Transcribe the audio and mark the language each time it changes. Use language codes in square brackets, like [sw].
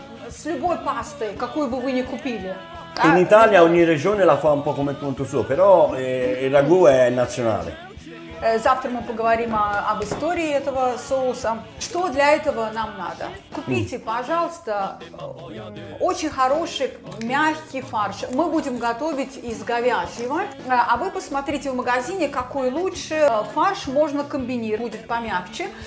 [ru] с любой пастой, какую бы вы ни купили. [it] In Italia ogni regione la fa un po' come punto suo, però il ragù è nazionale. [ru] Завтра мы поговорим об истории этого соуса. Что для этого нам надо? Купите, пожалуйста, очень хороший мягкий фарш. Мы будем готовить из говяжьего. А вы посмотрите в магазине, какой лучше фарш можно комбинировать. Будет помягче.